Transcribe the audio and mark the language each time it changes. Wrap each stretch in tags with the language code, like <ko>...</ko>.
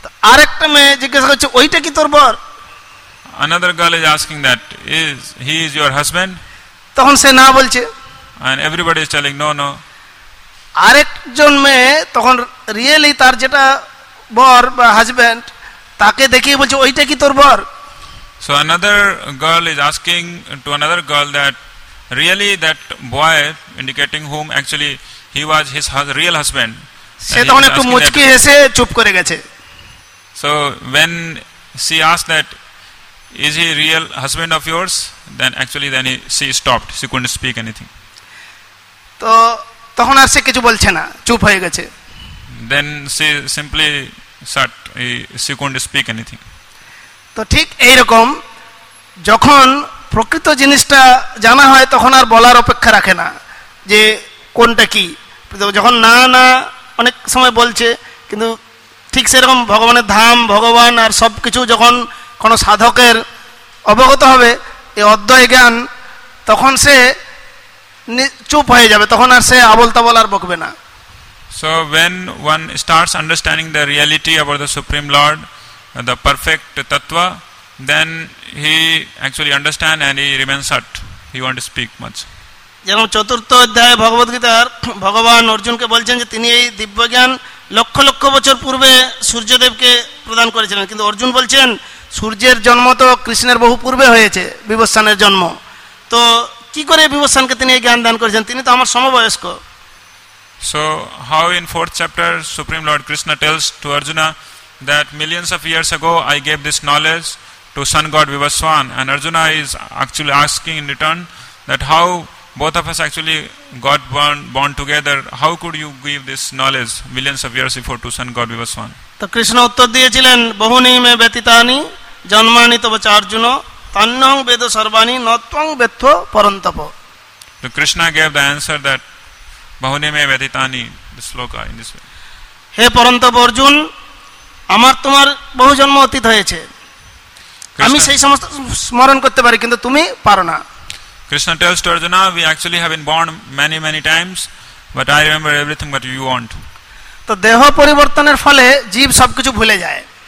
<bn>আরেকটা মেয়ে জিজ্ঞেস করছে, ওইটা কি তোর বর?</bn> <en>Another girl is asking that, is he is your husband?</en> <bn>তখন সে না বলছে.</bn> <en>And everybody is telling, no, no.</en> <bn>আরেকজন মেয়ে তখন রিয়েলি তার যেটা বর বা হাজবেন্ড তাকে দেখিয়ে বলছে, ওইটা কি তোর বর?</bn> <en>So another girl is asking to another girl that really that boy, indicating whom actually he was his real husband.</en> <bn>সে তখন একটু মুচকি হেসে চুপ করে গেছে.</bn> <en>So when she asked that, is he real husband of yours, then actually then he, she stopped, she couldn't speak anything.</en> <bn>তো তখন আর সে কিছু বলছে না, চুপ হয়ে গেছে.</bn> <en>Then she simply sat, she couldn't speak anything.</en> <bn>তো ঠিক এই রকম যখন প্রকৃত জিনিসটা জানা হয় তখন আর বলার অপেক্ষা রাখে না যে কোনটা কি, যখন না না অনেক সময় বলছে, কিন্তু ঠিক সেরকম ভগবানের ধাম, ভগবান আর সব কিছু যখন কোনো সাধকের অবগত হবে এই অদ্বৈত জ্ঞান, তখন সে চুপ হয়ে যাবে, তখন আর সে আবল তাবল আর বকবে না.</bn> <en>So when one starts understanding the reality about the Supreme Lord, the perfect tattva, then he actually understand and he remains shut, he won't speak much.</en> <bn>যেমন চতুর্থ অধ্যায় ভগবদ গীতার ভগবান অর্জুনকে বলছেন যে তিনি এই দিব্য জ্ঞান লক্ষ লক্ষ বছর পূর্বে সূর্যদেবকে প্রদান করেছিলেন, কিন্তু অর্জুন বলছেন সূর্যের জন্ম তো কৃষ্ণের বহু পূর্বে হয়েছে, বিবস্থানের জন্ম, তো কি করে বিবস্থানকে তিনি এই জ্ঞান দান করেছেন, তিনি তো আমার সমবয়স্ক.</bn> <en>So how in fourth chapter Supreme Lord Krishna tells to Arjuna that millions of years ago I gave this knowledge to Sun God Vivaswan, and Arjuna is actually asking in return that how both of us actually got born together, how could you give this knowledge millions of years before to Sun God Vivaswan?</en> <bn>To Krishna uttar diyechilen</bn> <sa>bahuni me betitani janmani tava charjuno tannang vedo sarvani natvang vetva parantapo.</sa> <en>To Krishna gave the answer that</en> <sa>বহুনিমে ব্যতীতানি</sa> <en>শ্লোকা in this way.</en> <bn>হে পরন্তপ অর্জুন, আমার তোমার বহু জন্ম অতীত হয়েছে, আমি সেই সমস্ত স্মরণ করতে পারি কিন্তু তুমি পারো না.</bn> <en>Krishna tells to Arjuna, we actually have been born many many times but I remember everything but you won't.</en> <bn>তো দেহ পরিবর্তনের ফলে জীব সব কিছু ভুলে যায়.</bn>